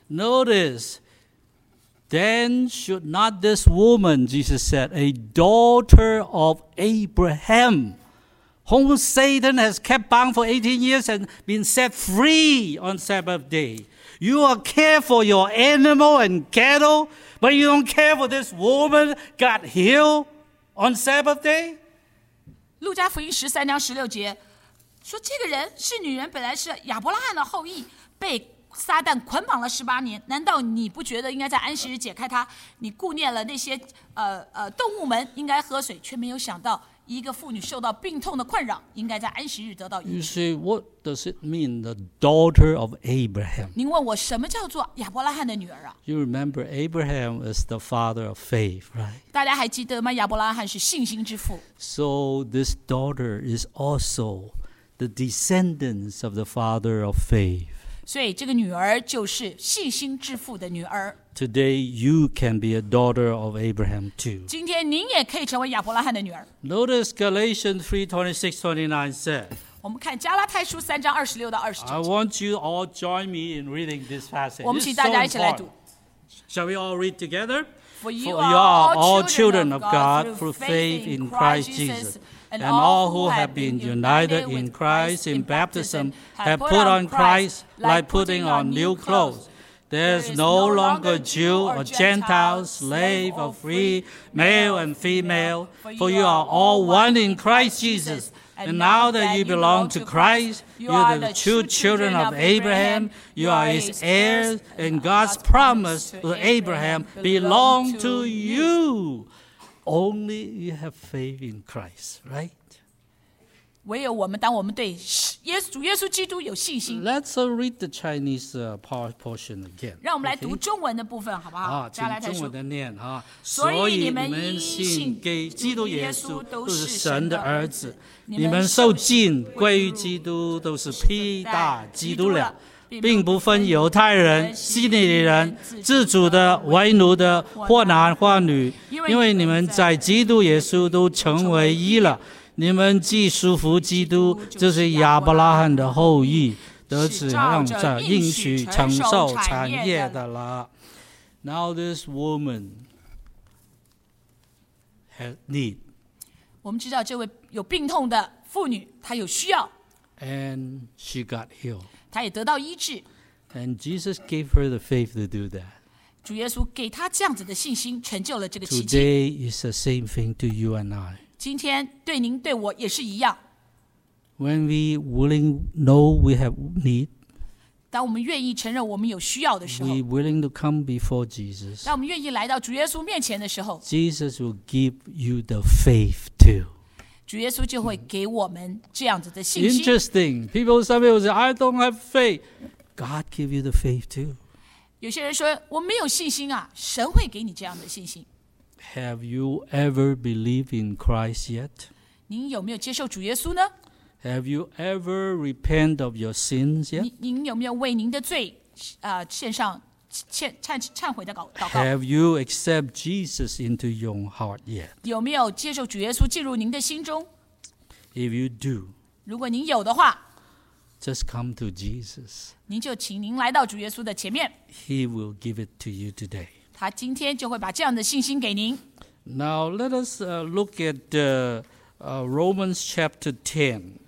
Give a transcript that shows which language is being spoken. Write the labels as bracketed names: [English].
[English] Notice, then should not this woman, Jesus said, a daughter of Abraham,whom Satan has kept bound for 18 years and been set free on Sabbath day. You are care for your animal and cattle, but you don't care for this woman got healed on Sabbath day? [Chinese] 路加福音13章16节说这个人是女人，本来是亚伯拉罕的后裔，被撒旦捆绑了18年，难道你不觉得应该在安息日解开他？你顾念了那些动物们应该喝水，却没有想到一个妇女受到病痛的困扰，应该在安息日得到医治。 [English] You say, what does it mean, the daughter of Abraham? [Chinese] 您问我什么叫做亚伯拉罕的女儿啊？ [English] You remember Abraham is the father of faith, right? [Chinese] 大家还记得吗？亚伯拉罕是信心之父。 [English] So this daughter is also the descendants of the father of faith. [Chinese] 所以这个女儿就是信心致富的女儿。 [English] Today you can be a daughter of Abraham too. [Chinese] 今天您也可以成为亚伯拉罕的女儿。 [English] Notice Galatians 3:26-29 said. [Chinese] 我们看加拉太书三章二十六到二十九节。 [English] I want you all join me in reading this passage. [Chinese] 我们请大家一起来读。 [English] Shall we all read together? For you are all children of God through faith in Christ Jesus. And all who have been united in Christ in baptism have put on Christ like putting on new clothes. There is no longer Jew or Gentile, slave or free, male and female, for you are all one in Christ Jesus. And now that you belong to Christ, you are the true children of Abraham, you are his heirs, and God's promise to Abraham belongs to you. Only you have faith in Christ, right? [Chinese] 唯有我们，当我们对耶稣、耶稣基督有信心。 [English] Let's read the Chinese portion again. [Chinese] 让我们来读中文的部分，好不好？啊，请中文的念啊。所以你们信给基督耶稣，都是神的儿子。你们受浸归于基督，都是披戴基督了。并不分犹太人、希利尼人、自主的、为奴的、或男或女，因为你们在基督耶稣都成为一了。你们既属乎基督，就是亚伯拉罕的后裔，得指望着应许承受产业的了。 [English] Now this woman has need. [Chinese] 我们知道这位有病痛的妇女，她有需要。 [English] And she got healed. [Chinese] 他也得到医治。 [English] And Jesus gave her the faith to do that. [Chinese] 主耶稣给他这样子的信心，成就了这个奇迹。 [English] Today is the same thing to you and I. [Chinese] 今天对您对我也是一样。 [English] When we willing know we have need, [Chinese] 当我们愿意承认我们有需要的时候 [English] ，we willing to come before Jesus. [Chinese] 当我们愿意来到主耶稣面前的时候 [English] ，Jesus will give you the faith too. [Chinese] 主耶稣就会给我们这样子的信心。 [English] Interesting. People, some people say, I don't have faith. God give you the faith too. [Chinese] 有些人说，我没有信心啊，神会给你这样的信心。 [English] Have you ever believed in Christ yet? [Chinese] 您有没有接受主耶稣呢？ [English] Have you ever repent of your sins yet? [Chinese] 您有没有为您的罪献上忏悔的祷告？ [English] Have you accept Jesus into your heart yet? [Chinese] 有没有接受主耶稣进入您的心中？ [English] If you do, [Chinese] 如果您有的话， [English] just come to Jesus. [Chinese] 您就请您来到主耶稣的前面。 [English] He will give it to you today. [Chinese] 他今天就会把这样的信心给您。 [English] Now let us look at Romans chapter 10.